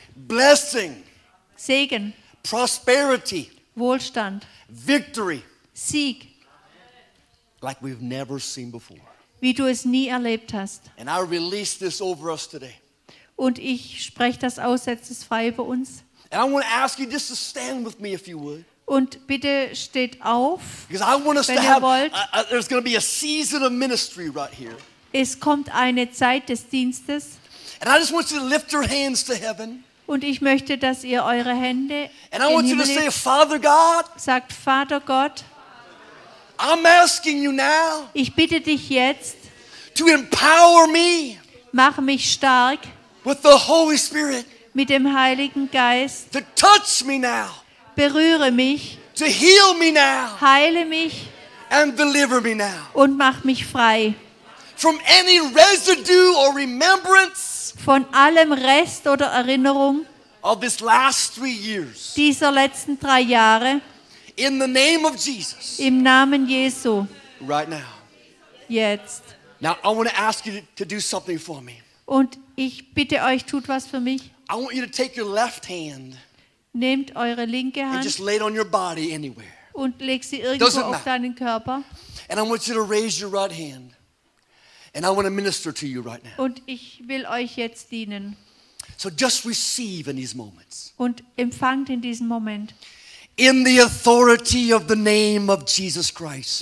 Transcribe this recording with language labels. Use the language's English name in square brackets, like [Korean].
[English] Blessing. [German] Segen. [English] Prosperity. [German] Wohlstand. [English] Victory. [German] Sieg. [English] Like we've never seen before. [German] Wie du es nie erlebt hast. [English] And I release this over us today. [German] Und ich spreche das aus, setze es frei über uns. [English] And I want to ask you just to stand with me if you would. [German] Und bitte steht auf. [English] Because I want us to have there's going to be a season of ministry right here. [German] Es kommt eine Zeit des Dienstes. [English] And I just want you to lift your hands to heaven. [German] Und ich möchte, dass ihr eure Hände in den Himmel legt. [English] Say, Father God, [German] sagt, Vater Gott, [English] I'm asking you now, [German] ich bitte dich jetzt, [English] to empower me, [German] mach mich stark [English] with the Holy Spirit, [German] mit dem Heiligen Geist. [English] To touch me now, [German] berühre mich. [English] To heal me now, [German] heile mich. [English] And deliver me now, [German] und mach mich frei. [English] From any residue or remembrance, [German] von allem Rest oder Erinnerung [English] of this last 3 years, [German] dieser letzten 3 Jahre, [English] in the name of Jesus, [German] im Namen Jesu, [English] right now, [German] jetzt. [English] Now I want to ask you to do something for me. [German] Und ich bitte euch, tut was für mich. [English] I want you to take your left hand, [German] nehmt eure linke Hand, [English] and just lay it on your body anywhere, [German] und leg sie irgendwo [English] doesn't [German] auf deinen Körper. [English] And I want you to raise your right hand, and I want to minister to you right now. [German] Und ich will euch jetzt dienen. [English] So just receive in these moments. [German] Und empfangt in diesem Moment. [English] In the authority of the name of Jesus Christ.